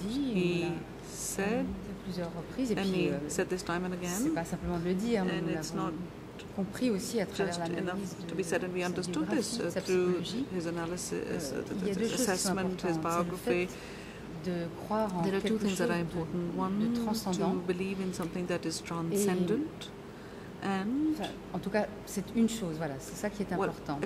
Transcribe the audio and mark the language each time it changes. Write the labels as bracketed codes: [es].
[en] He said [fr] à plusieurs reprises, et puis [en] said this time and again, [fr] c'est pas simplement de le dire, mais nous l'avons compris aussi à travers l'analyse de sa biographie, sa psychologie. Il y a deux choses qui sont importantes. De croire en quelque chose de transcendant. [en] One, to believe in something that is transcendent. And [fr] en tout cas, c'est une chose, voilà, c'est ça qui est important.